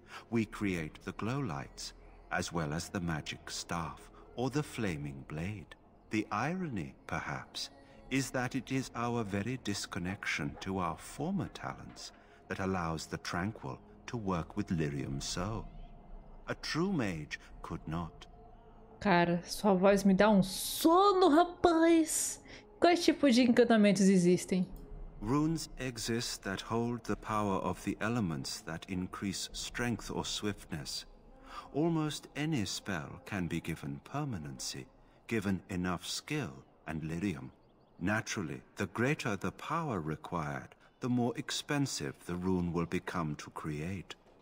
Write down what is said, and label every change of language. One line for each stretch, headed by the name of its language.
English: We create the glow lights, as well as the magic staff, or the flaming blade. The irony, perhaps, is that it is our very disconnection to our former talents that allows the Tranquil to work with lyrium so. A true mage could not.
Portuguese: Cara, sua voz me dá um sono, rapaz! Quais tipos de encantamentos existem?
English: Runes exist that hold the power of the elements that increase strength or swiftness. Almost any spell can be given permanency, given enough skill and lyrium. Naturally, the greater the power required, the more expensive the rune will become to create.